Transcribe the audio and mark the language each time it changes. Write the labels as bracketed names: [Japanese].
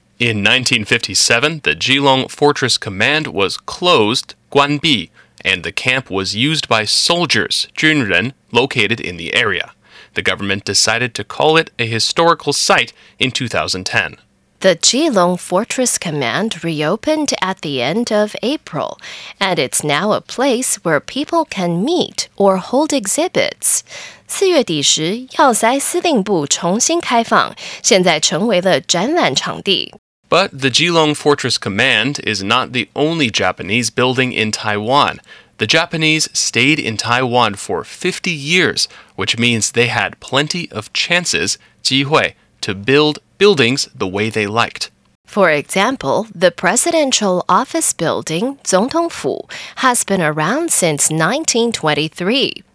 [English] In 1957, the Keelung Fortress Command was closed, 关闭, and the camp was used by soldiers, 军人, located in the area. The government decided to call it a historical site in 2010. The Keelung Fortress Command reopened at the end of April, and it's now a place where people can meet or hold exhibits. [Chinese] 四月底时，要塞司令部重新开放，现在成为了展览场地。 [English] But the Keelung Fortress Command is not the only Japanese building in Taiwan. The Japanese stayed in Taiwan for 50 years, which means they had plenty of chances, 机会, to build buildings the way they liked. For example, the presidential office building, 总统府, has been around since 1923.